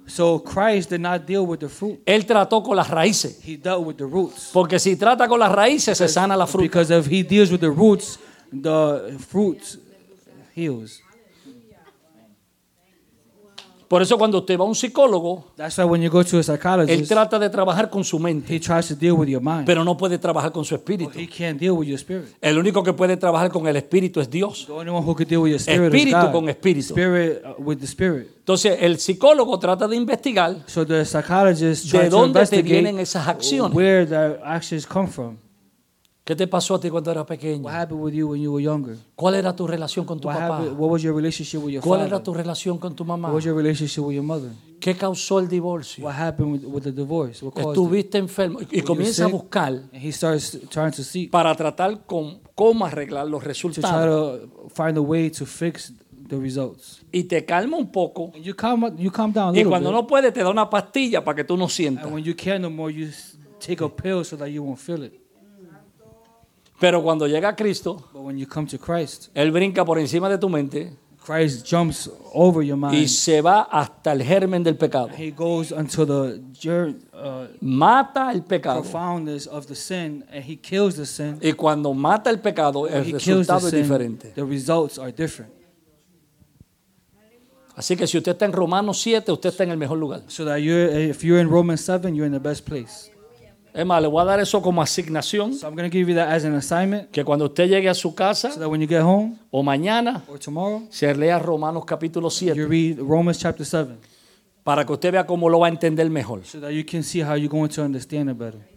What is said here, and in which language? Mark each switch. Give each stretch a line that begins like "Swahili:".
English: So Christ did not deal with the fruit.
Spanish: Él trató con las raíces.
English: He dealt with the roots.
Spanish: Porque si trata con las raíces se sana la fruta.
English: Because if he deals with the roots, the fruit heals.
Spanish: Por eso cuando usted va a un psicólogo,
English: that's why when you go to a psychologist,
Spanish: él trata de trabajar con su mente.
English: He tries to deal with your mind.
Spanish: Pero no puede trabajar con su espíritu.
English: Well, he can't deal with your spirit.
Spanish: El único que puede trabajar con el espíritu es Dios.
English: The only one who can deal with your spirit
Spanish: espíritu
English: is God.
Spanish: Con espíritu.
English: Spirit with the spirit.
Spanish: Entonces el psicólogo trata de investigar,
English: so the psychologist
Spanish: de dónde te vienen esas acciones.
English: Where the actions come from.
Spanish: ¿Qué te pasó a ti cuando eras pequeño?
English: What happened with you when you were younger?
Spanish: ¿Cuál era tu relación con tu
English: what
Spanish: papá?
English: What was your relationship with your
Spanish: ¿cuál
English: father?
Spanish: Era tu relación con tu mamá?
English: What was your relationship with your mother?
Spanish: ¿Qué causó el divorcio?
English: What happened with the divorce? What caused
Spanish: ¿estuviste
English: it?
Spanish: Enfermo? Y comienza a buscar
English: he starts trying to see
Spanish: para tratar con cómo arreglar los resultados.
English: To try to find a way to fix the results.
Spanish: Y te calma un poco.
English: And you calm down a little
Spanish: y cuando
English: bit.
Spanish: No puedes, te da una pastilla para que tú no sientas.
English: And when you can't no more, you take a pill so that you won't feel it.
Spanish: Pero cuando llega a Cristo,
English: but when you come to Christ,
Spanish: Él brinca por encima de tu mente,
English: Christ jumps over your mind,
Spanish: y se va hasta el germen del pecado.
English: He goes until the
Spanish: mata el pecado.
English: Profoundness of the sin, and he kills the sin.
Spanish: Y cuando mata el pecado, el resultado es diferente.
English: The results are different.
Spanish: Así que si usted está en Romanos 7, usted está en el mejor lugar.
English: So that you're, if you're in Romans 7, you're in the best place.
Spanish: Es más, le voy a dar eso como asignación.
English: So I'm going to give you that as an assignment.
Spanish: Que cuando usted llegue a su casa,
English: so that when you get home,
Spanish: o mañana,
English: or tomorrow,
Spanish: se lea Romanos capítulo 7.
English: You read Romans chapter 7.
Spanish: Para que usted vea cómo lo va a entender mejor.
English: So that you can see how you're going to understand it better.